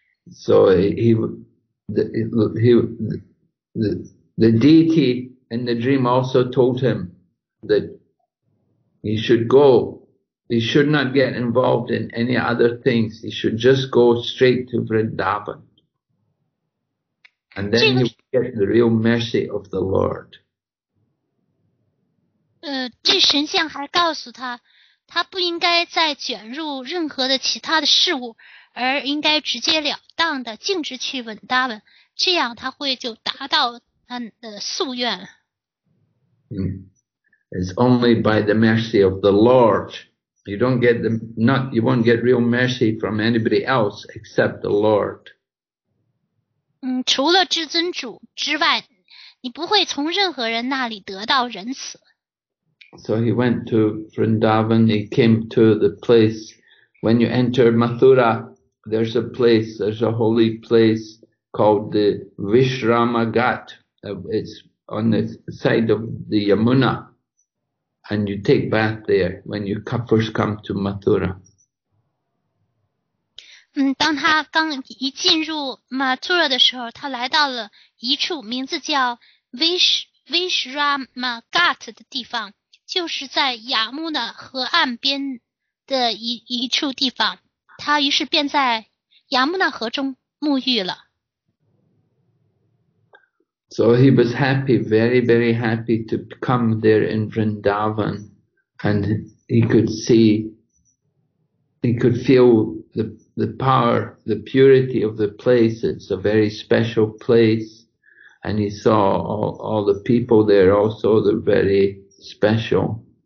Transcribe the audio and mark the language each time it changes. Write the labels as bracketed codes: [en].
[en] So the deity in the dream also told him that he should go. He should not get involved in any other things. He should just go straight to Vrindavan. And then he would get the real mercy of the Lord. [zh] 这神像还告诉他，他不应该再卷入任何的其他的事物，而应该直截了当的径直去稳达稳，这样他会就达到他的夙愿。 [en] It's only by the mercy of the Lord. You don't get the not. You won't get real mercy from anybody else except the Lord. [zh] 除了至尊主之外，你不会从任何人那里得到仁慈。 [en] So he went to Vrindavan, he came to the place. When you enter Mathura, there's a place, there's a holy place called the Vishrama Ghat. It's on the side of the Yamuna. And you take bath there when you first come to Mathura. [zh] 当他刚一进入 Mathura 的时候，他来到了一处名字叫 Vishramagat 的地方，就是在雅穆纳河岸边的一处地方。他于是便在雅穆纳河中沐浴了。 [en] So he was happy, very, very happy to come there in Vrindavan, and he could see, he could feel the power, the purity of the place. It's a very special place. And he saw all the people there also, they're very special.